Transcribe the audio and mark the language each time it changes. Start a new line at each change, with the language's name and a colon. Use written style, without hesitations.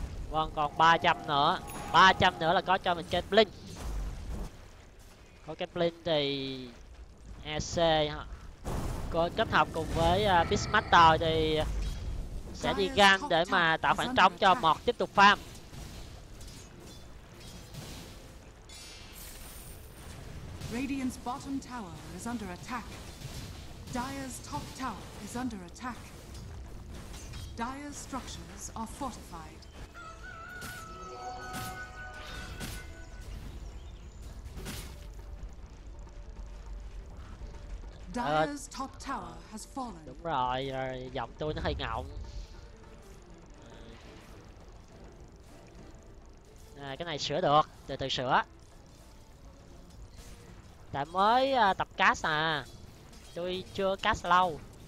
Vietnamese: Vâng, còn 300 nữa. 300 nữa là có cho mình cái Blink. Có cái Blink thì... EC có kết hợp cùng với Beastmaster thì... sẽ đi gan để mà tạo khoảng trống cho Mọt tiếp tục farm.
English: Radiant's bottom tower is under attack. Dire's top tower is under attack. Dire's structures are fortified. Dire's top tower has fallen.
Vietnamese: Đúng rồi, giọng tôi nó hơi ngọng. À, cái này sửa được, từ từ sửa. Tại mới tập cast à. Tôi chưa cast lâu.